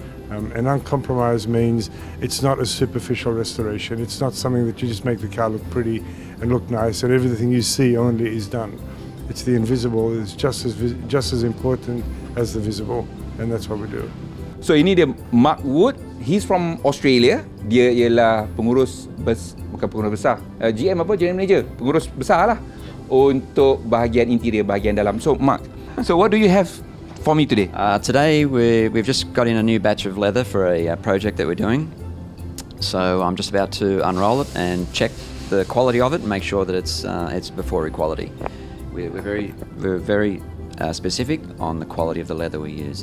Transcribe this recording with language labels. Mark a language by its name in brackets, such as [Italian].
[English] And uncompromised means it's not a superficial restoration. It's not something that you just make the car look pretty and look nice and everything you see only is done. It's the invisible is just as important as the visible, and that's what we do. [Malay] So ini dia Mark Wood. [English] He's from Australia. [Malay] Dia ialah pengurus besar. GM apa? General Manager. Pengurus besar lah untuk bahagian interior, bahagian dalam. [English] So Mark, so what do you have for me today? Today we've just got in a new batch of leather for a project that we're doing. So I'm just about to unroll it and check the quality of it and make sure that it's Bufori quality. We're very specific on the quality of the leather we use.